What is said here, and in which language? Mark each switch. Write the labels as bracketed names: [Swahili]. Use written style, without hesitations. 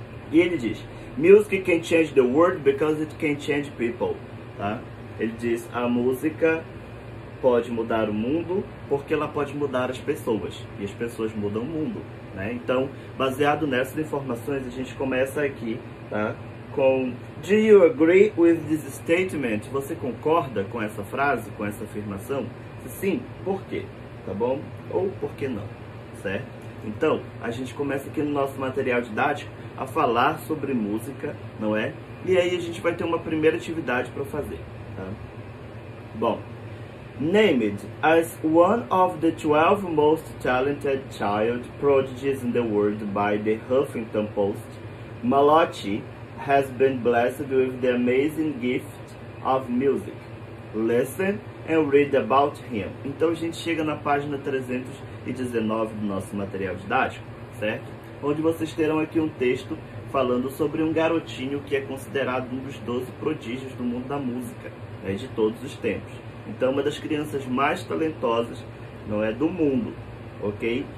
[Portuguese] E ele diz: [English] "Music can change the world because it can change people", [Portuguese] tá? Ele diz: "A música pode mudar o mundo porque ela pode mudar as pessoas, e as pessoas mudam o mundo", né? Então, baseado nessas informações, a gente começa aqui, tá? Com: [English] "Do you agree with this statement?" [Portuguese] Você concorda com essa frase, com essa afirmação? Se sim, por quê? Tá bom? Ou por que não? Certo? Então, a gente começa aqui no nosso material didático a falar sobre música, não é? E aí a gente vai ter uma primeira atividade para fazer, tá? Bom, [English] "Named as one of the 12 most talented child prodigies in the world by the Huffington Post, Malachi has been blessed with the amazing gift of music. Listen and read about him." [Portuguese] Então a gente chega na página 319 do nosso material didático, certo? Onde vocês terão aqui um texto falando sobre um garotinho que é considerado um dos 12 prodígios do mundo da música, né, de todos os tempos. Então, uma das crianças mais talentosas, não é, do mundo, ok?